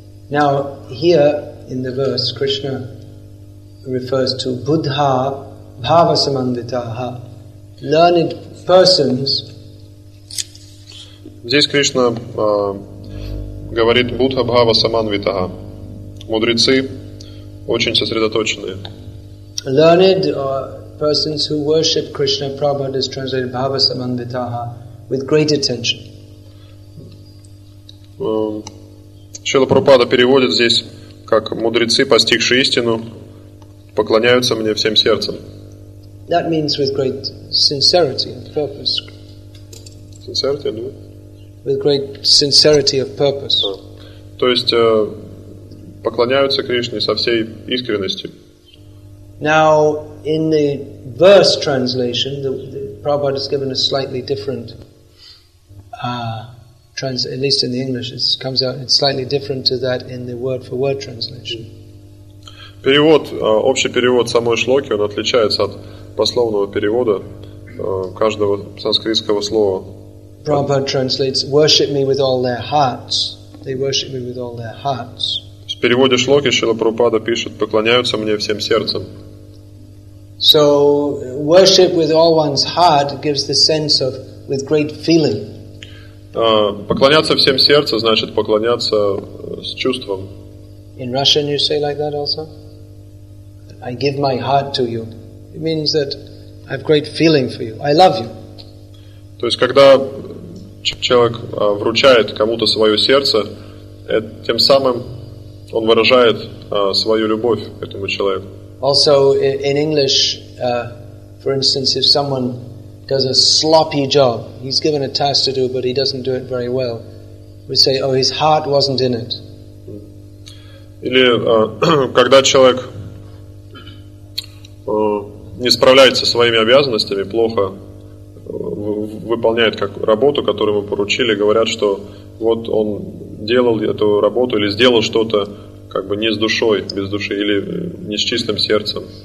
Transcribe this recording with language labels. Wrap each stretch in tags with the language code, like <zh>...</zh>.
<en>Now, here in the verse, Krishna refers to Buddha Bhavasamanditaha, learned persons.</en> <ru>Здесь Кришна говорит Будха Бхава Саманвитаха. Мудрецы очень сосредоточенные.</ru> <en>Learned persons who worship Krishna, Prabhupada is translated Bhava Samanvitaha with great attention.</en> <ru>Шрила Прабхупада переводит здесь как мудрецы, постигшие истину, поклоняются мне всем сердцем.</ru> <en>That means with great sincerity and purpose. Sincerity, no? With great sincerity of purpose.</en> <ru>То есть поклоняются Кришне со всей искренностью.</ru> <en>Now, in the verse translation, the Prabhupada has given a slightly different at least in the English, it comes out, it's slightly different to that in the word-for-word translation.</en> <ru>Перевод, общий перевод самой шлоки, он отличается от пословного перевода каждого санскритского слова.</ru> <en>Prabhupada translates, worship me with all their hearts. They worship me with all their hearts.</en> <ru>В переводе шлоки Шрила Прабхупада пишет, поклоняются мне всем сердцем.</ru> <en>So, worship with all one's heart gives the sense of with great feeling.</en> <ru>Поклоняться всем сердцем значит поклоняться с чувством.</ru> <en>In Russian you say like that also? I give my heart to you. It means that I have great feeling for you. I love you.</en> <ru>То есть, когда человек вручает кому-то свое сердце, тем самым он выражает свою любовь к этому человеку.</ru> <en>Also, in English, for instance, if someone does a sloppy job, he's given a task to do, but he doesn't do it very well, we say, oh, his heart wasn't in it.</en> <ru>Или когда человек не справляется со своими обязанностями, плохо выполняет как работу, которую ему поручили, говорят, что вот он делал эту работу или сделал что-то как бы не с душой, без души или не с чистым сердцем.</ru>